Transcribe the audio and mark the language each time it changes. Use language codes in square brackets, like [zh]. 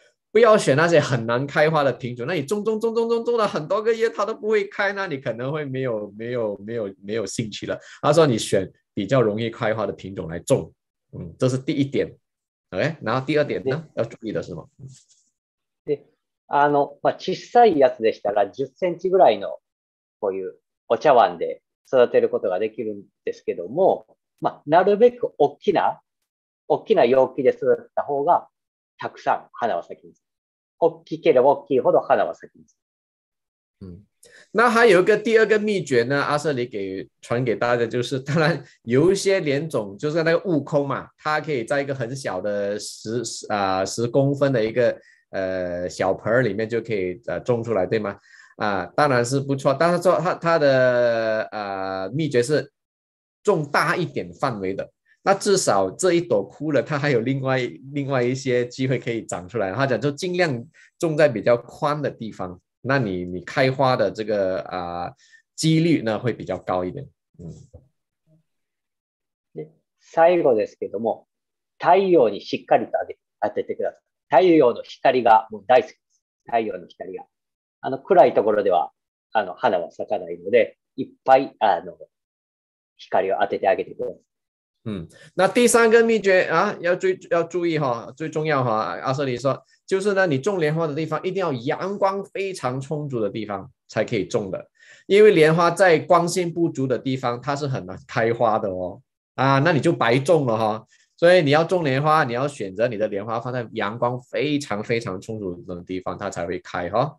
[zh] 不要选那些很难开花的品种，那你种了很多个月它都不会开，那你可能会没有兴趣了。他说你选比较容易开花的品种来种，这是第一点。 OK， 然后第二点呢，要注意的是什么？ [ja] で、小さいやつでしたら10センチぐらいのこういうお茶碗で育てることができるんですけども、なるべく大きな容器で育てた方が。たくさん花は咲きます。大きければ大きいほど花は咲きます。 [zh] 那还有一个第二个秘诀呢，阿舍离传给大家，就是当然有一些莲种，就是那个悟空嘛，它可以在一个很小的十公分的一个小盆里面就可以种出来，对吗？当然是不错，但是说它的秘诀是种大一点范围的。那至少这一朵枯了，它还有另外一些机会可以长出来。他讲就尽量种在比较宽的地方，那你开花的这个几率呢会比较高一点。 [ja] 最後ですけども、太陽にしっかりと当ててください。太陽の光がもう大好きです。太陽の光が暗いところでは花は咲かないので、いっぱい光を当ててあげてください。 [zh] 那第三个秘诀啊，要注意哈，最重要哈，阿舍里说，就是呢，你种莲花的地方一定要阳光非常充足的地方才可以种的，因为莲花在光线不足的地方，它是很难开花的哦。啊，那你就白种了哈。所以你要种莲花，你要选择你的莲花放在阳光非常非常充足的地方，它才会开哈。